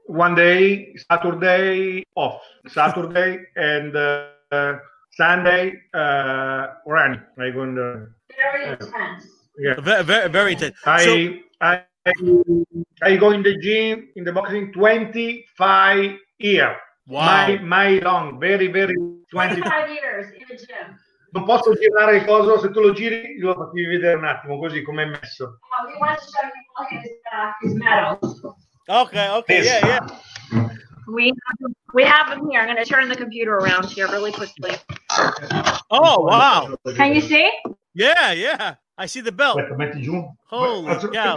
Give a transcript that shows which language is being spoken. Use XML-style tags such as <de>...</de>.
<en>One day, Saturday off. Saturday and Sunday run. I go in the very intense. Yeah. Very intense. I go in the gym in the boxing 25 years. Wow. My long, very, very 25 years in a gym.</en> <it>Non posso girare il coso, se tu lo giri, lo fatti vedere un attimo, così com'è messo.</it> <en>He wants to show you all his medals. Okay, yes. Yeah. We have them here. I'm going to turn the computer around here really quickly. Oh, wow. Can you see? Yeah. I see the belt.</en> <it>Aspetta, metti giù.</it> <en>Holy cow.</en>